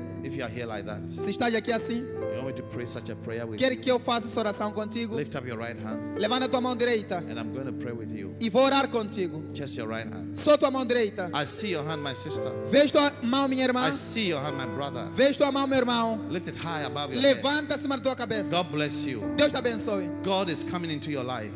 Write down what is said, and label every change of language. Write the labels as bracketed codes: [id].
[en] If you are here like that. [pt] Se estás aqui assim. [en] You want me to pray such a prayer with [pt] quer [en] you? [pt] Que eu faça essa oração contigo? [en] Lift up your right hand. [pt] Levanta tua mão direita. [en] And I'm going to pray with you. [pt] E vou orar contigo. [en] Just your right hand. [pt] Só tua mão direita. [en] I see your hand, my sister. [pt] Vejo tua mão, minha irmã. [en] I see your hand, my brother. [pt] Vejo tua mão, meu irmão. [en] Lift it high above your [pt] levanta [en] head. [pt] Acima da tua cabeça. [en] God bless you. [pt] Deus te abençoe. [en] God is coming into your life.